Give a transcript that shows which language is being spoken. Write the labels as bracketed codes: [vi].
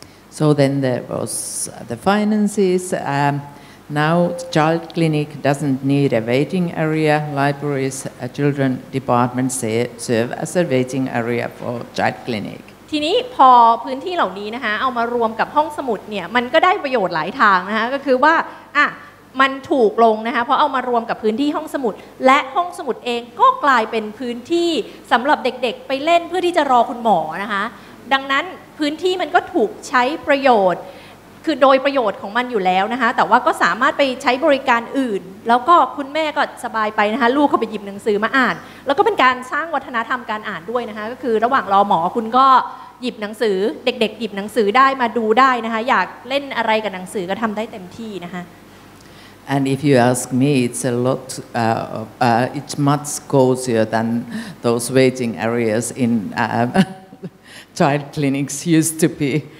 [en] so then there was the finances now child clinic doesn't need a waiting area libraries a children department serve as a waiting area for child clinic [th] ทีนี้พอพื้นที่เหล่านี้นะคะเอามารวมกับห้องสมุดเนี่ยมันก็ได้ประโยชน์หลายทางนะคะก็คือว่าอ่ะมันถูกลงนะคะเพราะเอามารวมกับพื้นที่ห้องสมุดและห้องสมุดเองก็กลายเป็นพื้นที่สำหรับเด็กๆไปเล่นเพื่อที่จะรอคุณหมอนะคะดังนั้นพื้นที่มันก็ถูกใช้ประโยชน์ คือโดยประโยชน์ของมันอยู่แล้วนะคะแต่ว่าก็สามารถไปใช้บริการอื่นแล้วก็คุณแม่ก็สบายไปนะคะลูกเขาไปหยิบหนังสือมาอ่านแล้วก็เป็นการสร้างวัฒนธรรมการอ่านด้วยนะคะก็คือระหว่างรอหมอคุณก็หยิบหนังสือเด็กๆหยิบหนังสือได้มาดูได้นะคะอยากเล่นอะไรกับหนังสือก็ทำได้เต็มที่นะคะ [en] And if you ask me, it's a lot, it's much cozier than those waiting areas in child clinics used to be.